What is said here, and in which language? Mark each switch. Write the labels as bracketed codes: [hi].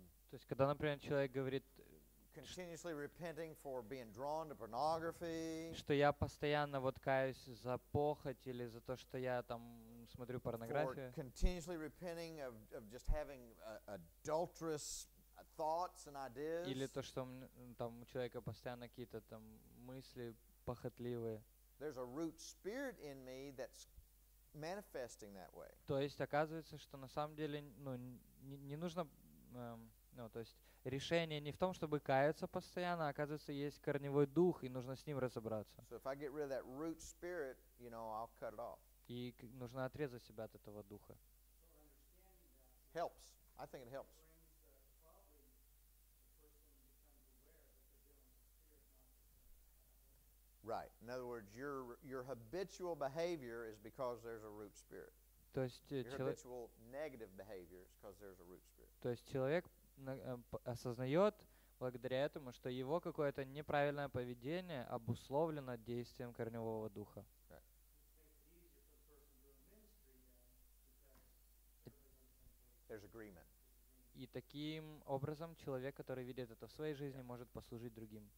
[ru] то есть, когда, например, человек говорит, [en] continuously repenting for being drawn to pornography. [ru] Что я постоянно вот каюсь за похоть или за то, что я там смотрю порнографию. [en] For continuously repenting of just having adulterous thoughts and ideas. [ru] Или то, что там у человека постоянно какие-то там мысли похотливые. [en] There's a root spirit in me that's manifesting that way. [ru] То есть оказывается, что на самом деле, ну, не нужно ну, то есть решение не в том, чтобы каяться постоянно, а оказывается, есть корневой дух, и нужно с ним разобраться. [en] So if I get rid of that root spirit, you know, I'll cut it off. [ru] И нужно отрезать себя от этого духа. [en] Helps. I think it helps. Right. In other words, your habitual behavior is because there's a root spirit. [ru] То есть [en] habitual negative behavior is because there's a root spirit. [ru] То есть человек осознает благодаря этому, что его какое-то неправильное поведение обусловлено действием корневого духа. [en] Right. [ru] И таким образом человек, который видит это в своей жизни, yeah, может послужить другим.